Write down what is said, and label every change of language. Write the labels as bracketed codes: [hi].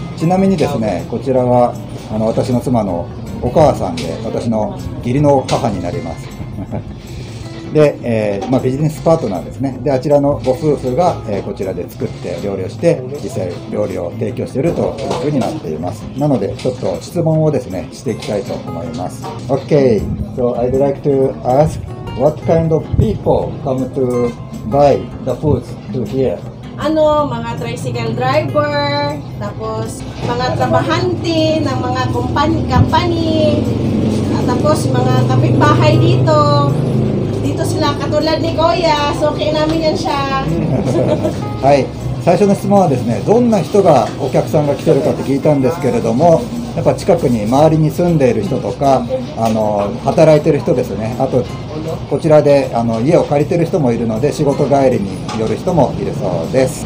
[ja] ちなみにですね、こちらは私の妻のお母さんで、私の義理の母になりますで、ビジネスパートナーですね。で、あちらのご夫婦が、こちらで作って料理をして、実際料理を提供しているというふうになっています。なので、ちょっと質問をですね、していきたいと思います。 [en] OK! So I'd like to ask, what kind of people come to buy the foods to here? [tl] Mga tricycle driver, tapos mga trabahante ng mga company, tapos mga kapitbahay dito. Dito sila katulad ni Goya, so kinamin yan siya. [ja] はい、最初の質問はですね、どんな人がお客さんが来てるかって聞いたんですけれども、やっぱ近くに周りに住んでいる人とか、働いてる人ですね。あとこちらで家を借りてる人もいるので、仕事帰りに寄る人もいるそうです。